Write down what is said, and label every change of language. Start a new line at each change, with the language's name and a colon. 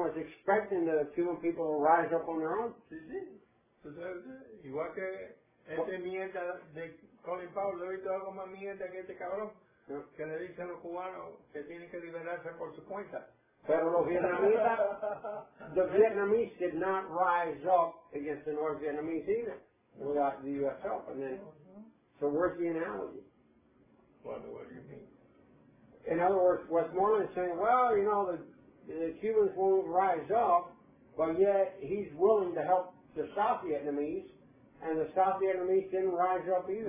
English: was expecting the Cuban people to rise up on their own.
Spanish: Sí, sí. Entonces, igual que este mierda de Colin Powell, he visto algo más mierda que este cabrón, que le dicen los cubanos que tienen que liberarse por su cuenta. Pero los vietnamitas,
English: the Vietnamese did not rise up against the North Vietnamese either without the U.S. help. And then, so where's the analogy? What do you mean? In other words, Westmoreland is saying, well, you know, the Cubans won't rise up, but yet he's willing to help the South Vietnamese, and the South Vietnamese didn't rise up either.